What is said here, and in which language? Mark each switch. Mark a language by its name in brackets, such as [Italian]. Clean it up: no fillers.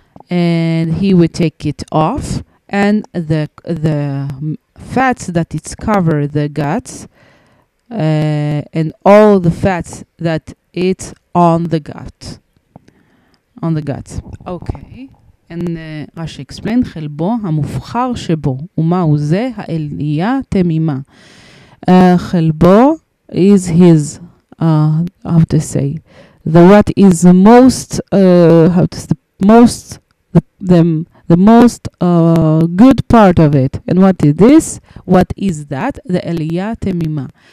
[English] and he would take it off, and the fats that it's cover the guts, and all the fats that it's on the gut. Okay. And Rashi explained, [Hebrew] חלבו המופחר שבו, ומהו זה האליה תמימה. [English] חלבו is his, how to say, the what is the most, how to say, the most, the most good part of it. And what is this? What is that? The אליה תמימה.